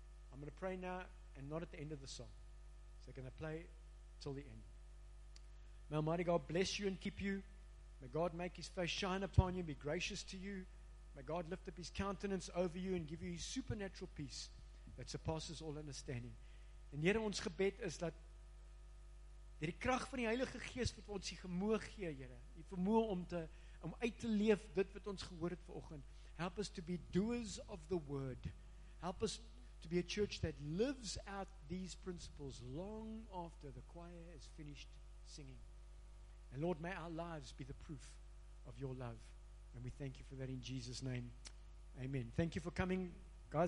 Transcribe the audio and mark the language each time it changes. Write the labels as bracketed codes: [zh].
[en] I'm going to pray now and not at the end of the song. So they're going to play till the end. May Almighty God bless you and keep you. May God make His face shine upon you and be gracious to you. May God lift up His countenance over you and give you His supernatural peace that surpasses all understanding. [af] En Here ons gebed is dat deur die krag van die Heilige Gees wat ons die vermoë gee, Here, die vermoë om uit te leef dit wat ons gehoor het vanoggend. [en] Help us to be doers of the word. Help us to be a church that lives out these principles long after the choir is finished singing. And Lord, may our lives be the proof of your love. And we thank you for that in Jesus' name. Amen. Thank you for coming, guys.